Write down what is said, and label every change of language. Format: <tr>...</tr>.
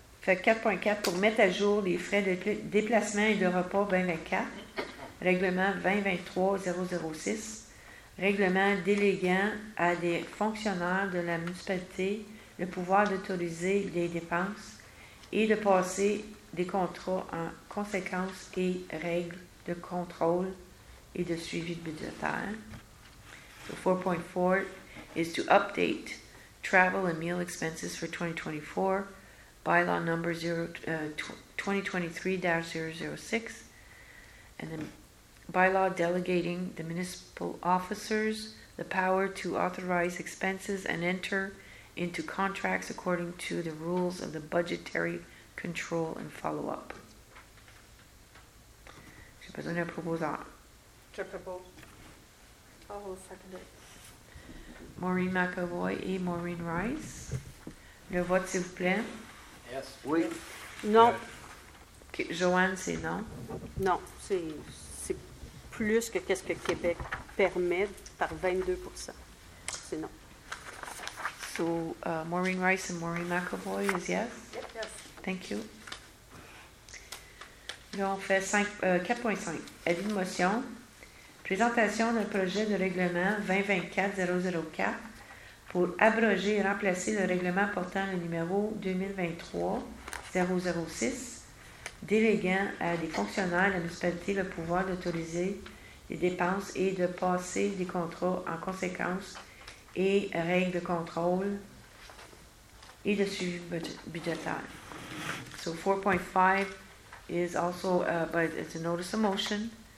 <fr>Fait 4.4 pour mettre à jour les frais de déplacement et de repas 2024, règlement 2023-006, règlement déléguant à des fonctionnaires de la municipalité le pouvoir d'autoriser les dépenses et de passer des contrats en conséquence et règles de contrôle et de suivi budgétaire.</fr> <en>4.4 is to update travel and meal expenses for 2024, bylaw number 2023-006, and then bylaw delegating the municipal officers the power to authorize expenses and enter into contracts according to the rules of the budgetary control and follow-up.</en> <fr>J'ai besoin d'un proposeur. Je propose.</fr> <en>Oh, I'll second it.</en> <fr>Maureen McAvoy et Maureen Rice. Le vote, s'il vous plaît.</fr> <en>Yes.</en> <fr>Oui. Non. Okay. Joanne, c'est non? Non, c'est plus que qu'est-ce que Québec permet par 22%. C'est non.</fr> <en>So, Maureen Rice and Maureen McAvoy is yes? Yes. Thank you.</en> <fr>Là, on fait 4.5. Avis de motion. Présentation d'un projet de règlement 2024-004 pour abroger et remplacer le règlement portant le numéro 2023-006, déléguant à des fonctionnaires de la municipalité le pouvoir d'autoriser les dépenses et de passer des contrats en conséquence et règles de contrôle et de suivi budgétaire.</fr> <en>So 4.5 is also, but it's a notice of motion.</en>